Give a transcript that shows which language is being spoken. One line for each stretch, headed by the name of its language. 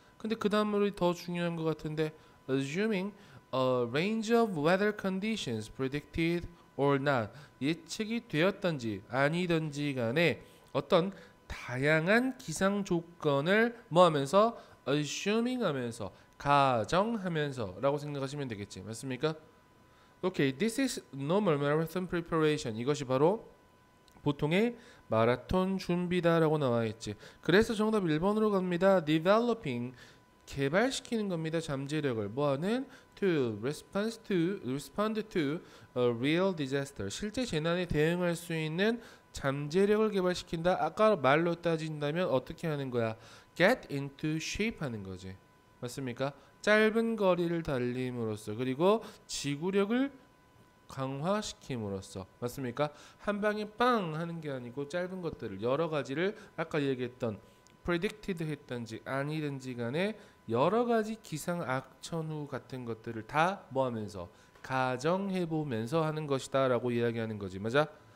Korean: 근데 그 다음으로 더 중요한 것 같은데,
English: assuming a range of weather conditions predicted or not,
Korean: 예측이 되었던지 아니던지 간에 어떤 다양한 기상 조건을 뭐 하면서? assuming 하면서, 가정하면서 라고 생각하시면 되겠지. 맞습니까?
English: Okay, this is normal marathon preparation.
Korean: 이것이 바로 보통의 마라톤 준비다라고 나와있지. 그래서 정답 1번으로 갑니다. Developing, 개발시키는 겁니다. 잠재력을 뭐하는?
English: To respond to, respond to a real disaster.
Korean: 실제 재난에 대응할 수 있는 잠재력을 개발시킨다. 아까 말로 따진다면 어떻게 하는 거야?
English: Get into shape
Korean: 하는 거지. 맞습니까? 짧은 거리를 달림으로써 그리고 지구력을 강화시킴으로써 맞습니까? 한 방에 빵 하는 게 아니고 짧은 것들을 여러 가지를 아까 얘기했던 predicted 했던지 아니든지 간에 여러 가지 기상 악천후 같은 것들을 다 뭐하면서 가정해보면서 하는 것이다 라고 이야기하는 거지. 맞아?